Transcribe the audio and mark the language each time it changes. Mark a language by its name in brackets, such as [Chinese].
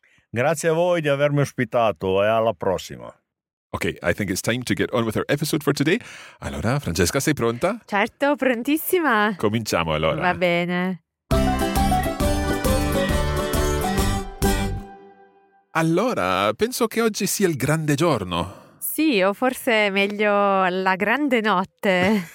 [Italian] Grazie a voi di avermi ospitato e alla prossima. [English] Ok, I think it's time to get on with our episode for today. [Italian] Allora, Francesca, sei pronta? Certo, prontissima. Cominciamo allora. Va bene. Allora, penso che oggi sia il grande giorno. Sì, o forse meglio la grande notte.